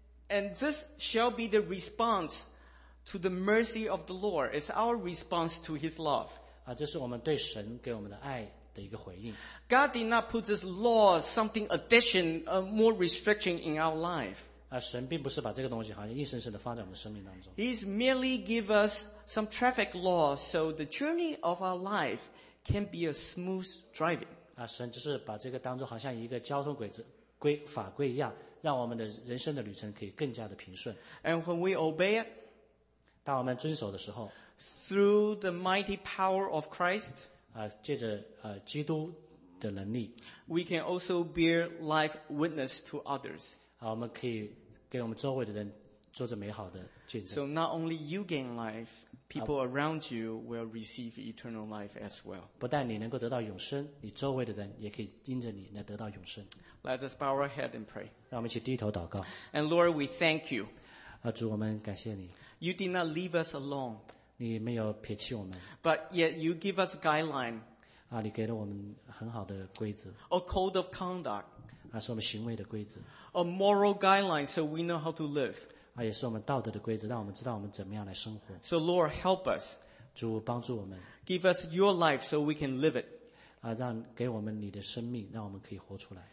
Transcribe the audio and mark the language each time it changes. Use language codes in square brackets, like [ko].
[en] And this shall be the response to the mercy of the Lord. It's our response to His love. [zh] 这是我们对神给我们的爱的的一个回应。 [en] God did not put this law something addition, more restriction in our life. [zh] 神并不是把这个东西好像硬生生的放在我们生命当中。 [en] He's merely give us some traffic laws so the journey of our life can be a smooth driving. [zh] 神就是把这个当作好像一个交通规则规法规一样，让我们的人生的旅程可以更加的平顺。 [en] And when we obey it, [zh] 当我们遵守的时候 [en] through the mighty power of Christ, [zh] 借着基督的能力 [en] we can also bear life witness to others. [zh] 我们可以给我们周围的人做着美好的见证。 [en] So not only you gain life, people around you will receive eternal life as well. [zh] 不但你能够得到永生，你周围的人也可以因着你来得到永生。 [en] Let us bow our head and pray. [zh] 让我们一起低头祷告。 [en] And Lord, we thank you. [zh] 主，我们感谢你。 [en] You did not leave us alone. [zh] 你没有撇弃我们。 [en] But yet you give us a guideline. [zh] 你给了我们很好的规则。 [en] A code of conduct. [zh] 是我们行为的规则。 [en] A moral guideline so we know how to live. [zh] 也是我们道德的规则，让我们知道我们怎么样来生活。 [en] So Lord, help us. [zh] 主，帮助我们。 [en] Give us your life so we can live it. [zh] 让给我们你的生命，让我们可以活出来。